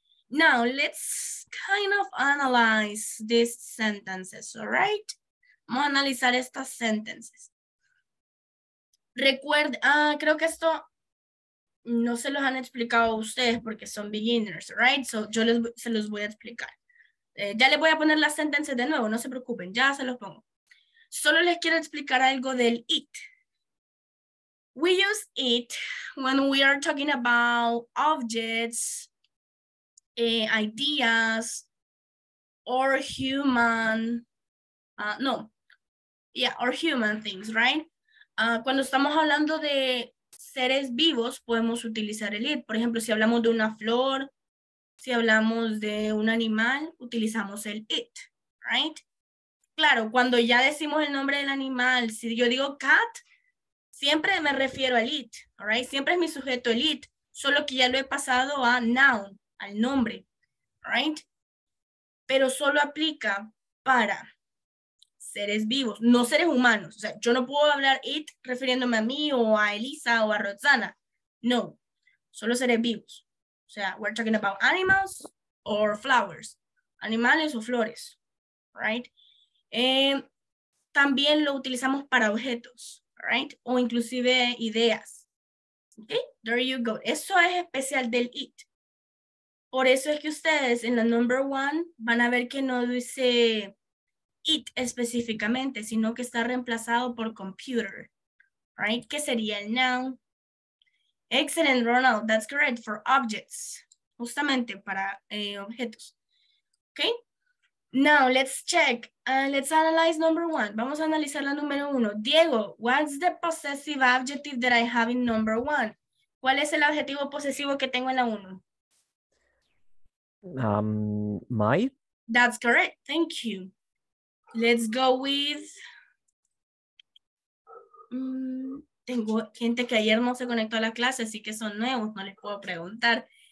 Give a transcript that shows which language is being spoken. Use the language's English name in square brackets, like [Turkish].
[English] Now, let's kind of analyze these sentences, all right? [Spanish] Vamos a analizar estas sentences. Recuerde, creo que esto no se los han explicado a ustedes porque son beginners, right? So, yo les, se los voy a explicar. Ya les voy a poner las sentencias de nuevo, no se preocupen, ya se los pongo. Solo les quiero explicar algo del it. [English] We use it when we are talking about objects, ideas, or human, or human things, right? [Spanish] Cuando estamos hablando de seres vivos, podemos utilizar el it. Por ejemplo, si hablamos de una flor, si hablamos de un animal, utilizamos el it, right? Claro, cuando ya decimos el nombre del animal, si yo digo cat, siempre me refiero al it, all right? Siempre es mi sujeto el it, solo que ya lo he pasado a noun, al nombre, right? Pero solo aplica para seres vivos, no seres humanos. O sea, yo no puedo hablar it refiriéndome a mí o a Elisa o a Roxana. No, solo seres vivos. [English] O sea, we're talking about animals or flowers. [Spanish] Animales o flores, right? También lo utilizamos para objetos, right? O inclusive ideas. [English] Okay, there you go. [Spanish] Eso es especial del it. Por eso es que ustedes en la number one van a ver que no dice it específicamente, sino que está reemplazado por computer, right? Que sería el noun. Excellent, Ronald. [English] That's great for objects. [Spanish] Justamente para objetos. [English] Okay. Now let's check. Let's analyze number one. [Spanish] Vamos a analizar la número uno. [English] Diego, what's the possessive adjective that I have in number one? [Spanish] ¿Cuál es el adjetivo posesivo que tengo en la uno? [English] My. That's correct. Thank you. Let's go with. [Spanish] Tengo gente que ayer no se conectó a la clase, así que son nuevos, no les puedo preguntar.